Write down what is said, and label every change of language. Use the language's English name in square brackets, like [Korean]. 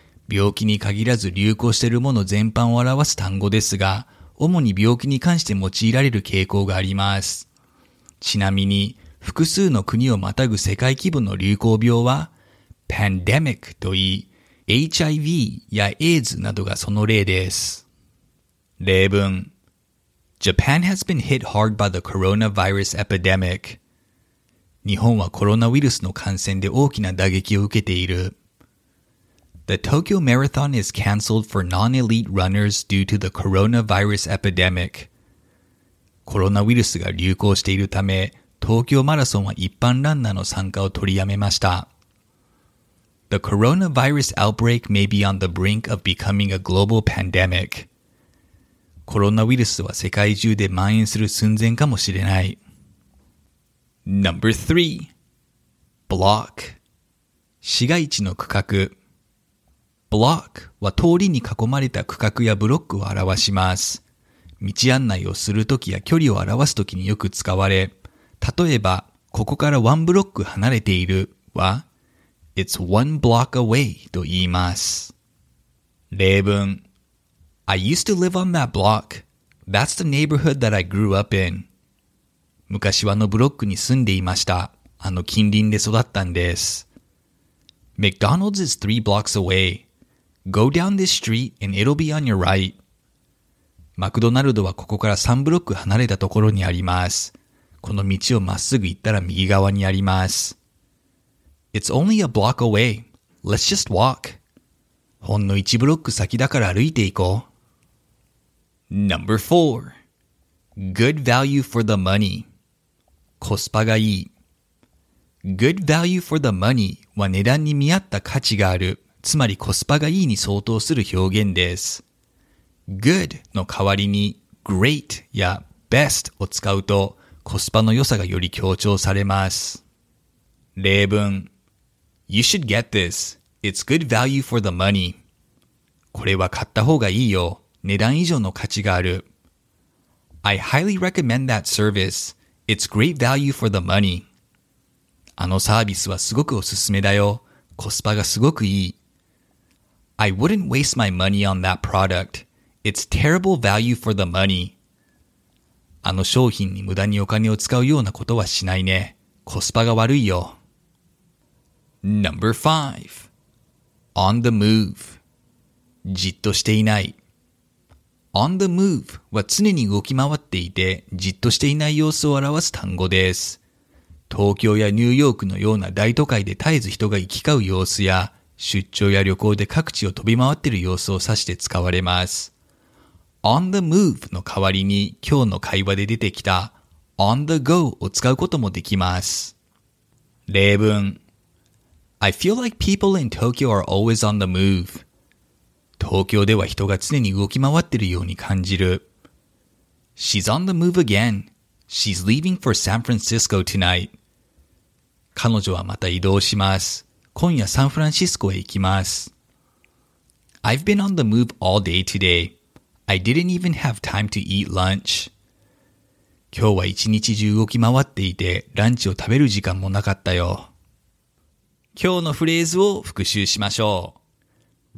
[Japanese] 病気に限らず流行しているもの全般を表す単語ですが、主に病気に関して用いられる傾向があります。ちなみに複数の国をまたぐ世界規模の流行病はパンデミックといい、HIV や AIDS などがその例です。例文。 [English] Japan has been hit hard by the coronavirus epidemic. [Japanese] 日本はコロナウイルスの感染で大きな打撃を受けている。 [English] The Tokyo Marathon is cancelled for non-elite runners due to the coronavirus epidemic. [Japanese] コロナウイルスが流行しているため、東京マラソンは一般ランナーの参加を取りやめました。 [English] The coronavirus outbreak may be on the brink of becoming a global pandemic. [Japanese] コロナウイルスは世界中で蔓延する寸前かもしれない。 [English] Number 3. Block. [Japanese] 市街地の区画。 Block は通りに囲まれた区画やブロックを表します。道案内をするときや距離を表すときによく使われ、例えば、ここからワンブロック離れているは、 [English] It's one block away [Japanese] と言います。例文。 [English] I used to live on that block. That's the neighborhood that I grew up in. [Japanese] 昔はあのブロックに住んでいました。あの近隣で育ったんです。 [English] McDonald's is three blocks away. Go down this street and it'll be on your right. [Japanese] マクドナルドはここから3ブロック離れたところにあります。この道をまっすぐ行ったら右側にあります。 [English] It's only a block away. Let's just walk. [Japanese] ほんの1ブロック先だから歩いていこう。 [English] Number 4. Good value for the money. [Japanese] コスパがいい。 Good value for the money は値段に見合った価値がある、つまりコスパがいいに相当する表現です。 Good の代わりに Great や Best を使うと、コスパの良さがより強調されます。例文。 [English] You should get this. It's good value for the money. [Japanese] これは買った方がいいよ。値段以上の価値がある。 [English] I highly recommend that service. It's great value for the money. [Japanese] あのサービスはすごくおすすめだよ。コスパがすごくいい。 [English] I wouldn't waste my money on that product. It's terrible value for the money. [Japanese] あの商品に無駄にお金を使うようなことはしないね。コスパが悪いよ。 [English] Number 5. On the move. [Japanese] じっとしていない。 On the move は常に動き回っていて、じっとしていない様子を表す単語です。東京やニューヨークのような大都会で絶えず人が行き交う様子や、出張や旅行で各地を飛び回っている様子を指して使われます。 On the move の代わりに今日の会話で出てきた On the go を使うこともできます。例文 [English] I feel like people in Tokyo are always on the move. [Japanese] 東京では人が常に動き回ってるように感じる。 [English] She's on the move again. She's leaving for San Francisco tonight. [Japanese] 彼女はまた移動します。今夜サンフランシスコへ行きます。 [English] I've been on the move all day today. I didn't even have time to eat lunch. [Japanese] 今日は一日中動き回っていて、ランチを食べる時間もなかったよ。今日のフレーズを復習しましょう。